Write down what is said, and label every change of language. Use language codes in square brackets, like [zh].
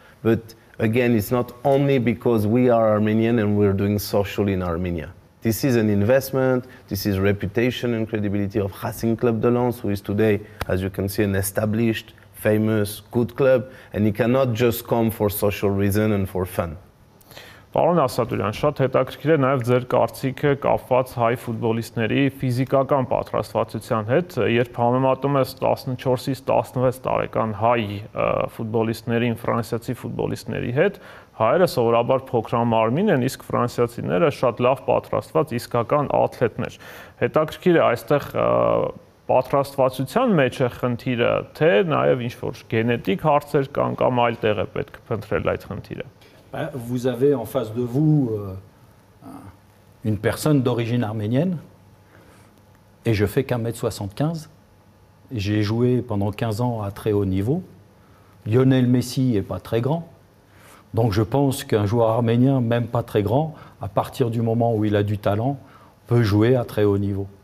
[en] But again, it's not only because we are Armenian and we're doing social in Armenia. This is an investment, this is reputation and credibility of Racing Club de Lens, who is today, as you can see, an established, famous, good club, and he cannot just come for social reason and for fun. [hy] Պարոն Ասադուրյան, շատ հետաքրքիր է նաև ձեր կարծիքը կապված հայ ֆուտբոլիստների ֆիզիկական պատրաստվածության հետ, երբ համեմատում ես 14-ից 16 տարեկան հայ ֆուտբոլիստներին ֆրանսիացի ֆուտբոլիստների հետ, հայերը սովորաբար փոքրամարմին են, իսկ ֆրանսիացիները շատ լավ պատրաստված իսկական ատլետներ։ Հետաքրքիր է այստեղ պատրաստվածության մեջ է խնդիրը, թե նաև ինչ-որ գենետիկ հարցեր կան կամ այլ տեղ է պետք փնտրել այդ խնդիրը։ [fr] Vous avez en face de vous une personne d'origine arménienne et je fais 1m75 J'ai joué pendant 15 ans à très haut niveau. Lionel Messi n'est pas très grand. Donc je pense qu'un joueur arménien, même pas très grand, à partir du moment où il a du talent, peut jouer à très haut niveau.